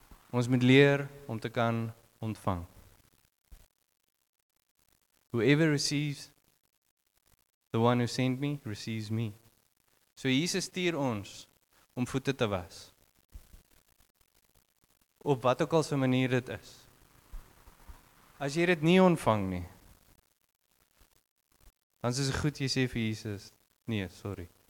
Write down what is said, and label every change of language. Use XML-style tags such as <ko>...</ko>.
<af>Ons moet leer om te kan ontvang.</af> <en>Whoever receives the one who sent me receives me.</en> <af>So Jesus stuur ons om voete te was. Op wat ook al se manier dit is. As jy dit nie ontvang nie, dan is het goed, jy sê vir Jesus, nee, sorry.</af>